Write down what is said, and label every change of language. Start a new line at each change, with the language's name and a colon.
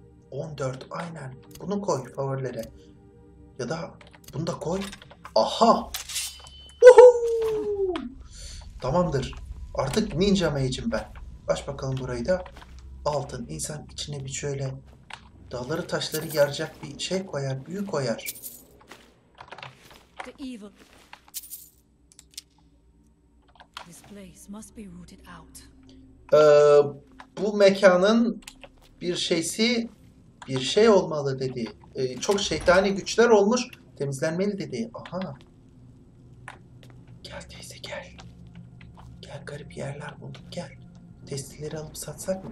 Turkish: 14 aynen. Bunu koy favorilere. Ya da bunu da koy. Aha! Tamamdır. Artık ninja mage'im ben. Aç bakalım burayı da. Altın insan içine bir şöyle dağları taşları yaracak bir şey koyar, büyü koyar.
English: The evil. This place must be rooted out.
Turkish: Bu mekanın bir şeysi bir şey olmalı dedi. Çok şeytani güçler olmuş, temizlenmeli dedi. Aha. Gel teyze gel. Gel garip yerler bulduk gel. Testileri alıp satsak mı?